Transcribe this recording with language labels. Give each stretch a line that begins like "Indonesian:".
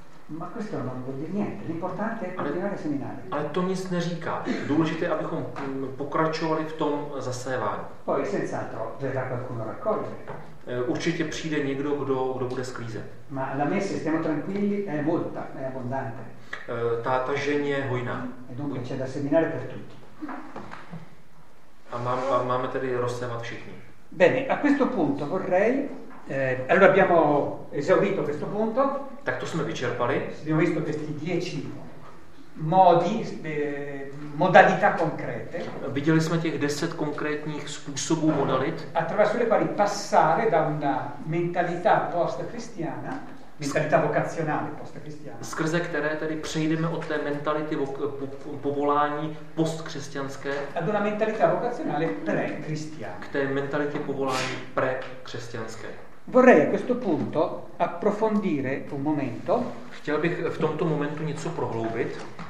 Italian: Ma questo non vuol dire niente. L'importante è continuare a seminare.
Czech: Ale to nic neříká. Důležité, abychom pokračovali v tom zasévání.
Italian: Poi senz'altro verrà qualcuno a raccogliere.
Czech: Určitě přijde někdo, kdo bude sklízet.
Italian: Ma la messa, stiamo tranquilli, è molta, è abbondante.
Czech: Ta ženě je hojná.
Italian: E dunque c'è da seminare per tutti.
Czech: A máme tedy rozsévat všichni.
Italian: Bene, a questo punto vorrei allora abbiamo esaurito questo punto.
Czech: Tak to jsme vyčerpali.
Italian: Abbiamo visto questi 10 modi, modalità concrete.
Czech: Viděli jsme těch 10 konkrétních způsobů modalit.
Italian: Attraverso le quali passare da una mentalità post-cristiana, mentalità vocazionale post-cristiana.
Czech: Skrze které tedy přejdeme od té mentality povolání post-křesťanské.
Italian: Ad una mentalità vocazionale pre-cristiana.
Czech: K té mentalitě povolání pre-křesťanské.
Italian: Vorrei a questo punto approfondire un momento.
Czech: Chtěl bych v tomto momentu něco prohloubit.